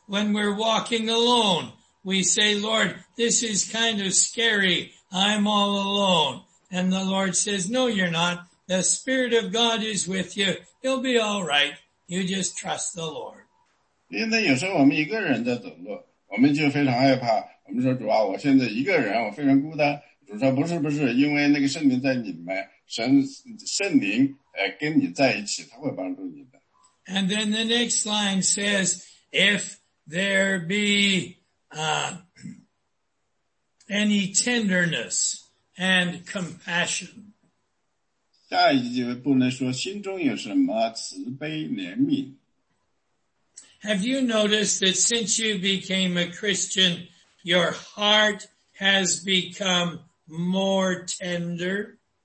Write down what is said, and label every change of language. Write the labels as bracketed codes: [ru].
[en] when we're walking alone, we say, Lord, this is kind of scary, I'm all alone. And the Lord says, no, you're not, the Spirit of God is with you, you'll be all right, you just trust the Lord. [zh] 因为呢,有时候我们一个人在走路,我们就非常害怕。我们说主啊,我现在一个人,我非常孤单。主说不是不是,因为那个圣灵在你们,神,圣灵跟你在一起,他会帮助你的。 [en] And then the next line says, if there be any tenderness and compassion. [zh] 下一句不能说,心中有什么慈悲怜悯。 [en] Have you noticed that since you became a Christian, your heart has become more tender?